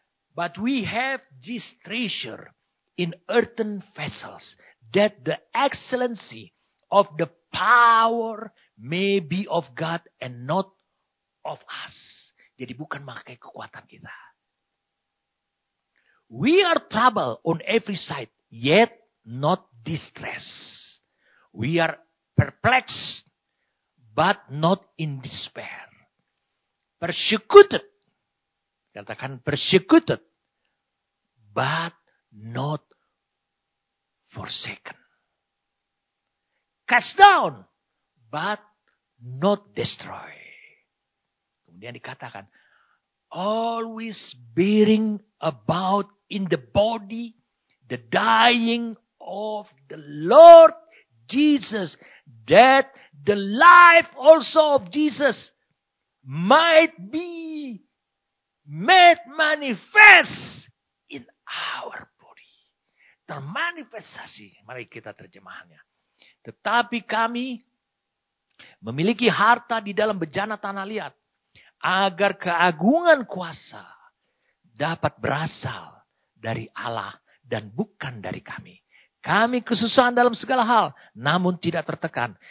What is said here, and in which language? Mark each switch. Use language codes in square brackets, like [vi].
[en] But we have this treasure in earthen vessels, that the excellency of the power may be of God and not of us. [id] Jadi bukan memakai kekuatan kita. [en] We are troubled on every side, yet not distressed. We are perplexed, but not in despair. Persecuted, [id] katakan [en] persecuted, but not forsaken. Cast down, but not destroy. [id] Kemudian dikatakan, [en] always bearing about in the body the dying of the Lord Jesus, that the life also of Jesus might be made manifest in our body. [id] Termanifestasi, mari kita terjemahannya. Tetapi kami memiliki harta di dalam bejana tanah liat, agar keagungan kuasa dapat berasal dari Allah dan bukan dari kami. Kami kesusahan dalam segala hal, namun tidak tertekan.